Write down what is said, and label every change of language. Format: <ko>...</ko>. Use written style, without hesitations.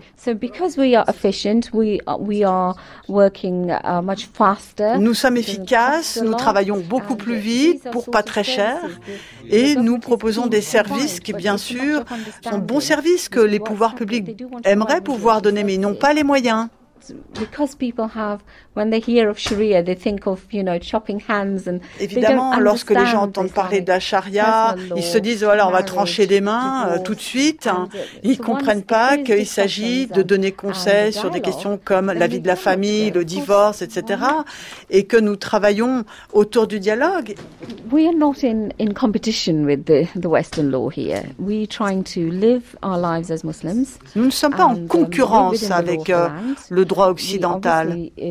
<fr>Nous sommes efficaces, nous travaillons beaucoup plus vite, pour pas très cher, et nous proposons des services qui, bien sûr, sont bons services que les pouvoirs publics aimeraient pouvoir donner, mais ils n'ont pas les moyens.</fr> <en>Because people have, when they hear of Sharia, they think of, you know, chopping hands and.</en> <fr>Évidemment, lorsque les gens entendent parler d'Asharia, ils se disent voilà, on va trancher des mains tout de suite. Ils comprennent pas qu'il s'agit de donner conseil sur des questions comme la vie de la famille, le divorce, etc. Et que nous travaillons autour du dialogue.</fr> <en>We are not in competition with the Western law here. We are trying to live our lives as Muslims.</en> <fr>Nous ne sommes pas en concurrence avec le droit occidental.</fr>